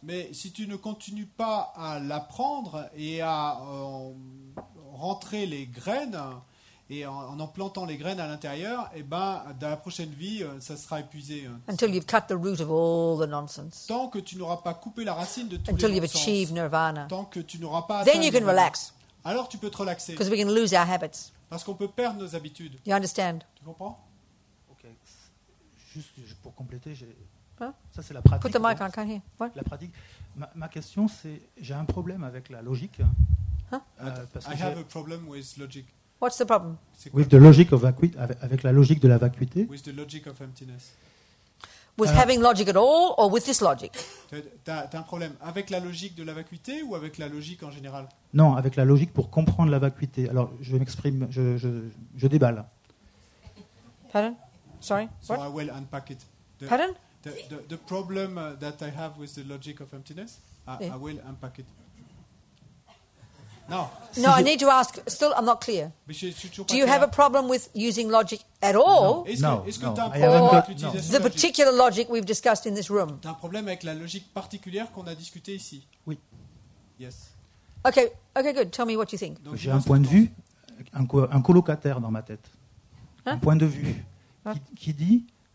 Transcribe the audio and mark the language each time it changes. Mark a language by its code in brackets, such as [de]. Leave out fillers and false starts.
[fr] Mais si tu ne continues pas à l'apprendre et à rentrer les graines et en plantant les graines à l'intérieur, et ben dans la prochaine vie ça sera épuisé. [en] Until you've cut the root of all the nonsense. [fr] Tant que tu n'auras pas coupé la racine de tous [en] until [fr] les nonsens. [en] Until you've achieved nirvana. [fr] Tant que tu n'auras pas [en] then you can relax. [fr] Alors tu peux te relaxer. [en] Because we can lose our habits. [fr] Parce qu'on peut perdre nos habitudes. [en] You understand? [fr] Tu comprends? Okay. Juste pour compléter, ça c'est la pratique. [en] Put the mic on, can't hear. What? [fr] La pratique. Ma question c'est j'ai un problème avec la logique. [en] I have a problem with logic. What's the problem? With the logic of [fr] avec la logique de la vacuité. [en] With the logic of emptiness. With having logic at all or with this logic? [fr] T'as un problème avec la logique de la vacuité ou avec la logique en général? Non, avec la logique pour comprendre la vacuité. Alors, je m'exprime, je déballe. [en] Pardon? Sorry? So what? I will unpack it. Pardon? The problem that I have with the logic of emptiness, I will unpack it. No. No, I need to ask. Still, I'm not clear. Do you have a problem with using logic at all? No. The particular logic we've discussed in this room. [fr] T'as un problème avec la logique particulière qu'on a discuté ici? Oui. [en] Yes. Okay. Good. Tell me what you think. [fr] Donc, j'ai un point de vue, un colocataire dans ma tête, un point de vue qui dit.